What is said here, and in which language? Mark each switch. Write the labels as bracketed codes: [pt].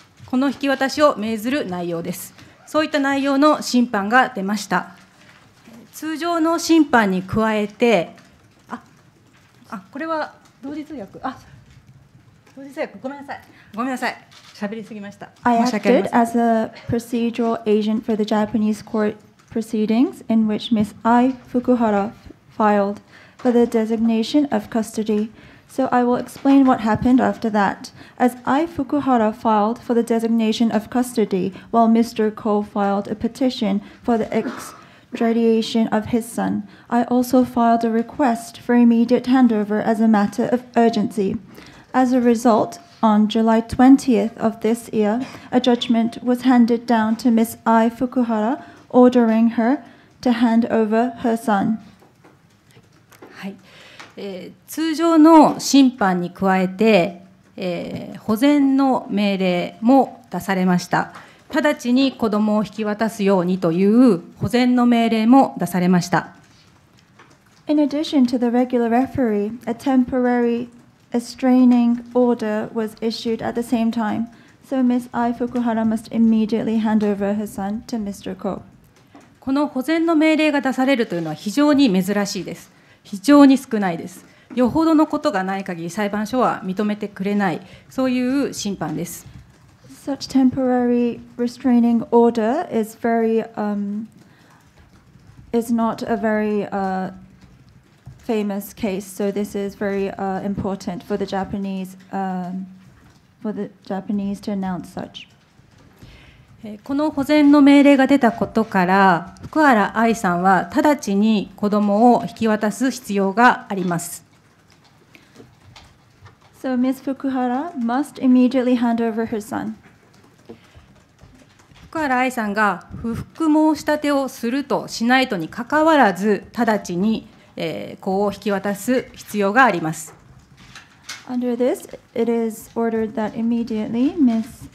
[ja] この引き渡しを命ずる内容です。そういった内容の審判が出ました。通常の審判に加えて、これは同時通訳、同時通訳、ごめんなさい、喋りすぎました。 [en] I acted as a procedural agent for the Japanese court proceedings in which Ms. Ai Fukuhara filed for the designation of custody. So I will explain what happened after that. As Ai Fukuhara filed for the designation of custody, while Mr. Ko filed a petition for the extradition of his son. I also filed a request for immediate handover as a matter of urgency. As a result, on July 20th of this year, a judgment was handed down to Ms. Ai Fukuhara, ordering her to hand over her son. [ja] はい。通常の審判に加えて、保全の命令も出されました。直ちに子どもを引き渡すようにという保全の命令も出されました。 [en] In addition to the regular referee, a temporary restraining order was issued at the same time. So Ms. Ai Fukuhara must immediately hand over her son to Mr. Ko. [ja] この保全の命令が出されるというのは非常に珍しいです。非常に少ないです。よほどのことがない限り裁判所は認めてくれない、そういう審判です。 [en] Such temporary restraining order is very, is not a very famous case, so this is very important for the Japanese, for the Japanese to announce such. [ja] この保全の命令が出たことから、福原愛さんは直ちに子どもを引き渡す必要があります。 [en] So, Ms. Fukuhara must immediately hand over her son. [ja] 福原愛さんが不服申し立てをするとしないとにかかわらず、直ちに子を引き渡す必要があります。 [en] Under this, it is ordered that immediately Ms.